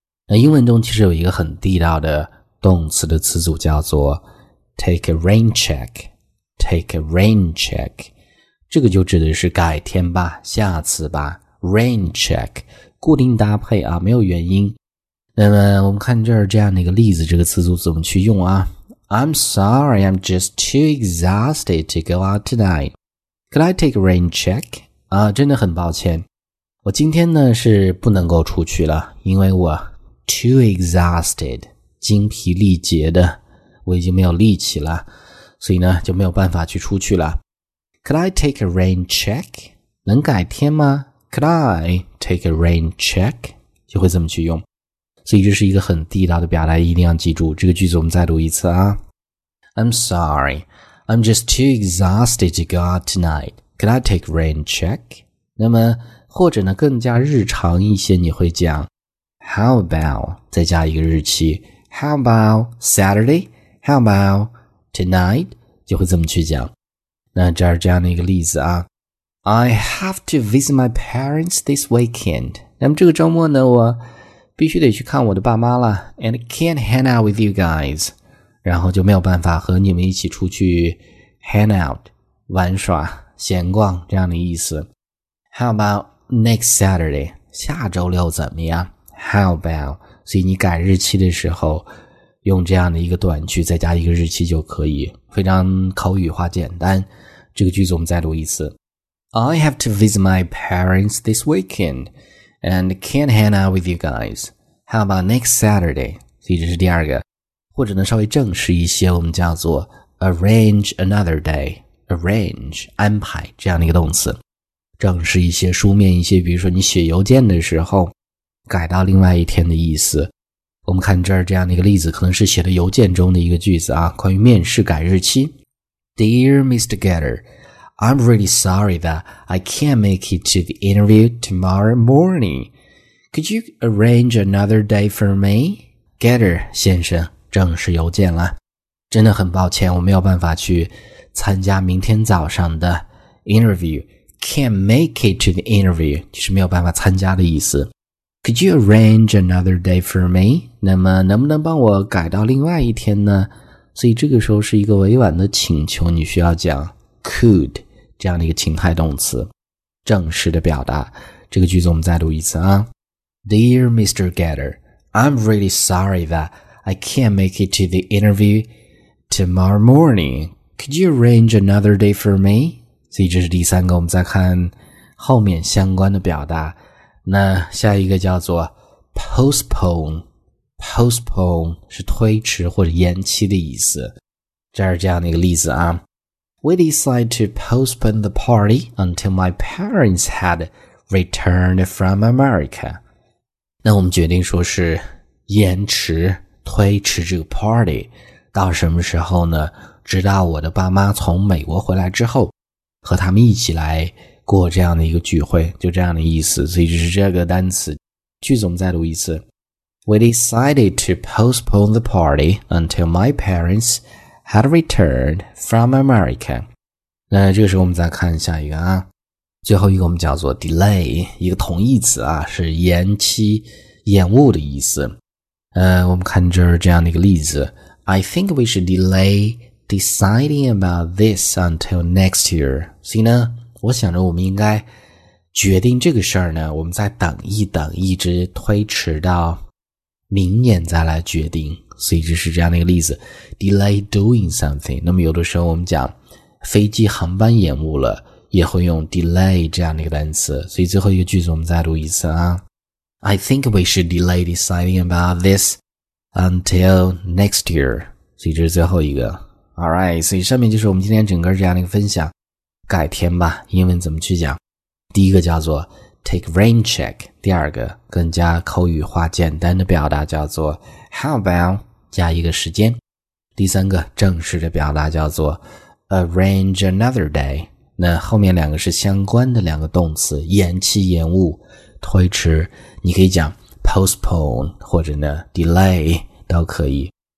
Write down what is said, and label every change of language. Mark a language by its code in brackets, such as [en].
[zh] 那英文中其实有一个很地道的动词的词组叫做 [en] take a rain check， [zh] take a rain check， 这个就指的是改天吧，下次吧， rain check， 固定搭配啊，没有原因。那么我们看这儿这样的一个例子，这个词组怎么去用啊？ [en] I'm sorry, I'm just too exhausted to go out tonight. Could I take a rain check? [zh] 啊，真的很抱歉，我今天呢是不能够出去了，因为我 [en] too exhausted, [zh] 精疲力竭的，我已经没有力气了，所以呢就没有办法去出去了。 [en] Could I take a rain check? [zh] 能改天吗？ [en] Could I take a rain check? [zh] 就会怎么去用。所以这是一个很地道的表达，一定要记住。这个句子我们再读一次啊。 [en] I'm sorry, I'm just too exhausted to go out tonight. Could I take rain check? [zh] 那么或者呢更加日常一些，你会讲 How about 再加一个日期， [en] How about Saturday? [zh] How about tonight? 就会这么去讲。那这儿这样的一个例子啊。 [en] I have to visit my parents this weekend. [zh] 那么这个周末呢我必须得去看我的爸妈了， [en] and can't hang out with you guys， [zh] 然后就没有办法和你们一起出去 hang out 玩耍闲逛这样的意思。 [en] How about next Saturday， [zh] 下周六怎么样？ [en] How about， [zh] 所以你改日期的时候用这样的一个短句再加一个日期就可以，非常口语化简单。这个句子我们再读一次。 [en] I have to visit my parents this weekendAnd can't hang out with you guys. How about next Saturday? [zh] 所以这是第二个。或者呢稍微正式一些，我们叫做 [en] arrange another day. [zh] Arrange, 安排这样的一个动词。正式一些，书面一些，比如说你写邮件的时候改到另外一天的意思。我们看这儿这样的一个例子，可能是写的邮件中的一个句子啊，关于面试改日期。 [en] Dear Mr. Getter,I'm really sorry that I can't make it to the interview tomorrow morning. Could you arrange another day for me? [zh] Getter 先生，正式邮件了。真的很抱歉，我没有办法去参加明天早上的 interview. [en] Can't make it to the interview [zh] 就是没有办法参加的意思。 [en] Could you arrange another day for me? [zh] 那么能不能帮我改到另外一天呢？所以这个时候是一个委婉的请求，你需要讲could 这样的一个情态动词，正式的表达。这个句子我们再读一次啊。 [en] Dear Mr. Getter, I'm really sorry that I can't make it to the interview tomorrow morning. Could you arrange another day for me? [zh] 所以这是第三个，我们再看后面相关的表达。那下一个叫做 postpone， postpone 是推迟或者延期的意思。这是这样的一个例子啊。 [en] We decided to postpone the party until my parents had returned from America. [zh] 那我们决定说是延迟推迟这个 party 到什么时候呢？直到我的爸妈从美国回来之后，和他们一起来过这样的一个聚会，就这样的意思。所以这是这个单词。句子我们再读一次。 [en] We decided to postpone the party until my parents had returned from America. [zh] 那这个时候我们再看下一个啊。最后一个我们叫做 delay， 一个同义词啊，是延期延误的意思。我们看这儿这样的一个例子。 [en] I think we should delay deciding about this until next year. [zh] 所以呢我想着我们应该决定这个事儿呢，我们再等一等，一直推迟到明年再来决定。所以这是这样的一个例子， [en] delay doing something。 [zh] 那么有的时候我们讲飞机航班延误了，也会用 delay 这样的一个单词。所以最后一个句子我们再读一次啊。 [en] I think we should delay deciding about this until next year。 [zh] 所以这是最后一个。 Alright， 所以上面就是我们今天整个这样的一个分享，改天吧，英文怎么去讲。第一个叫做 [en] take rain check， [zh] 第二个更加口语化简单的表达叫做 [en] How about [zh] 加一个时间。第三个正式的表达叫做 [en] arrange another day， [zh] 那后面两个是相关的两个动词，延期延误推迟，你可以讲 postpone 或者呢 delay 都可以。